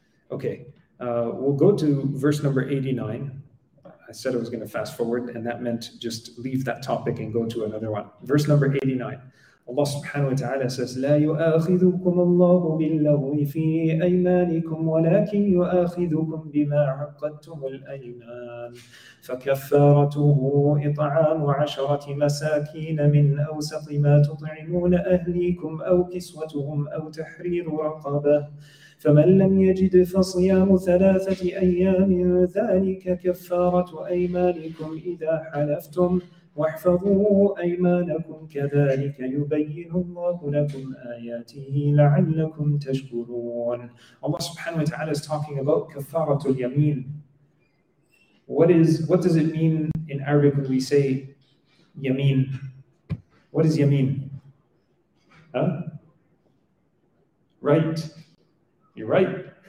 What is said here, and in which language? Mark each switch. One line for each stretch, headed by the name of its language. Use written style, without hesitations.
English: Okay, we'll go to verse number 89. I said I was going to fast forward, and that meant just leave that topic and go to another one. Verse number 89. Allah subhanahu wa ta'ala says,
Arabic: لا يؤاخذكم الله باللغو في أيمانكم ولكن يؤاخذكم بما عقدتم الأيمان فكفارته إطعام عشرة مساكين من أوسط ما تطعمون أهليكم أو كسوتهم أو تحرير رقبة فمن لم يجد فصيام ثلاثة أيام ذلك كفارة أيمانكم إذا حلفتم واحفظوا أيمانكم كذلك يبين الله لكم آياته لعلكم تشكرون.
English: Allah subhanahu wa ta'ala is talking about كفارة اليمين. What does it mean in Arabic when we say يمين? What is يمين? Huh? Right. You're right.